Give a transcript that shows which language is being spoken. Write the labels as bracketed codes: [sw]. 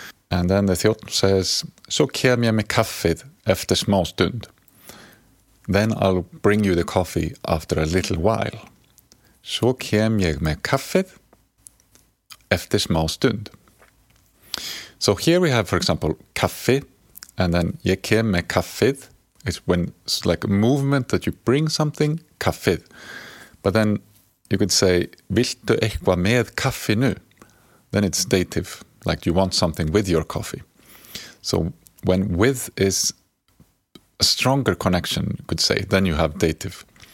[en] And then the thjótn says, [is] so kem ég með kaffið eftir smá stund. [en] Then I'll bring you the coffee after a little while. [is] So kem ég með kaffið eftir smá stund. [en] So here we have, for example, kaffi, and then [is] ég kem með kaffið. [en] It's when it's like a movement that you bring something, kaffið. But then you could say, [is] viltu eitthva með kaffi nu? [en] Then it's dative, like you want something with your coffee. So when with is a stronger connection, you could say, then you have dative.